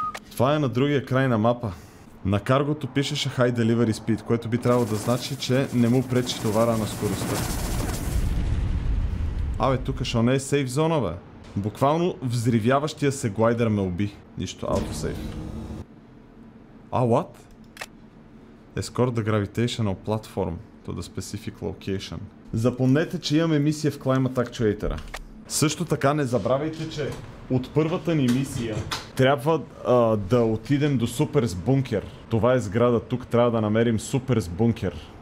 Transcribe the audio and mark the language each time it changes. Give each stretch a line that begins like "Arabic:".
Bulgarian: Това е на другия край на мапа. На каргото пишеше High Delivery Speed, което би трябвало да значи, че не му пречи товара на скоростта. Абе, тука шо не е сейф зона, бе? Буквално взривяващия се глайдер ме уби. Нищо, аутосейф. А, what?
English: Escort the gravitational platform to the specific location.
Bulgarian: Запомнете, че имаме мисия в Climate Actuator. Също така не забравяйте, че от първата ни мисия трябва да отидем до Супер's Бункер. Това е сграда, тук трябва да намерим Супер's Бункер.